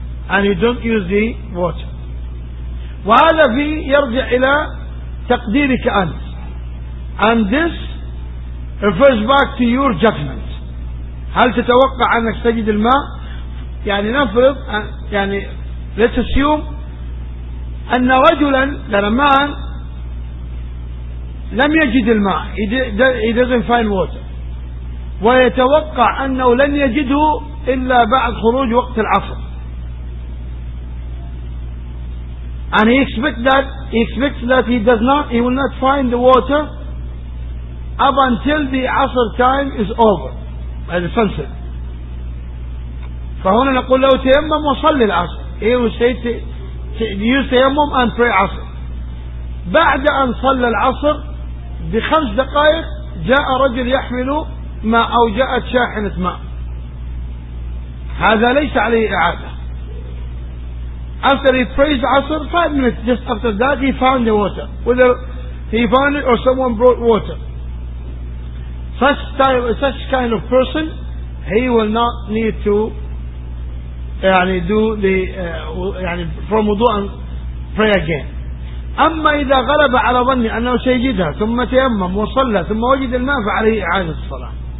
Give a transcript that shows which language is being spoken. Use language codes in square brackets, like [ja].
[en] And you don't use the water. [ar] وهذا في يرجع إلى تقديرك أنت. [en] And this refers back to your judgment. [ar] هل تتوقع أنك تجد الماء؟ يعني نفرض يعني [en] let's assume [ar] أن رجلا لما لم يجد الماء، [en] he doesn't find water، [ar] ويتوقع أنه لن يجده إلا بعد خروج وقت العصر. [en] And he expects that he will not find the water up until the عصر time is over by the sunset. [ar] فهنا نقول له تيمم وصلي العصر. [en] He will say, use tayammum and pray asr. [ar] بعد أن صلى العصر بخمس دقائق جاء رجل يحمل ماء أو جاءت شاحنة ماء. هذا ليس عليه إعادة. [en] After he prayed asr, 5 minutes just after that he found the water. Whether he found it or someone brought water. Such kind of person, he will not need to يعني do the يعني from wudu and pray again. [ar] أما إذا غلب على ظني أنه سيجدها ثم تيمم وصلى ثم وجد الماء فعليه إعادة الصلاة.